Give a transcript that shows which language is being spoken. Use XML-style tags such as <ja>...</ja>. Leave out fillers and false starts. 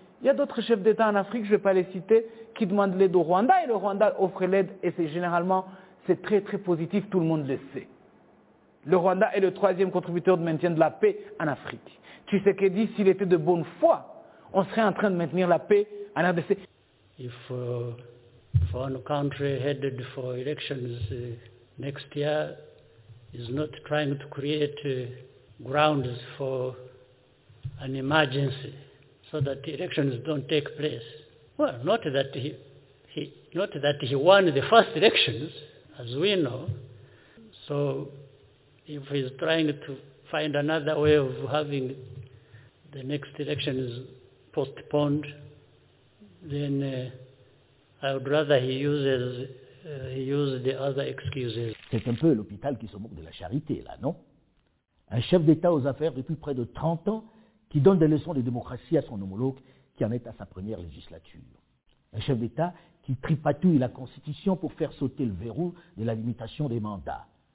<fr>Il y a d'autres chefs d'État en Afrique, je ne vais pas les citer, qui demandent l'aide au Rwanda, et le Rwanda offre l'aide, et c'est généralement, c'est très très positif, tout le monde le sait. Le Rwanda est le troisième contributeur de maintien de la paix en Afrique. Tu sais qu'il dit, s'il était de bonne foi, on serait en train de maintenir la paix en RDC.</fr> <en>If foreign country headed for elections next year is not trying to create grounds for an emergency so that the elections don't take place, well, not that he won the first elections, as we know, so if he's trying to find another way of having the next elections postponed, then I would rather he use the other excuses.</en> <fr>C'est un peu l'hôpital qui se moque de la charité, là, non? Un chef d'État aux affaires depuis près de 30 ans qui donne des leçons de démocratie à son homologue qui en est à sa première législature. Un chef d'État qui tripatouille la Constitution pour faire sauter le verrou de la limitation des mandats.</fr>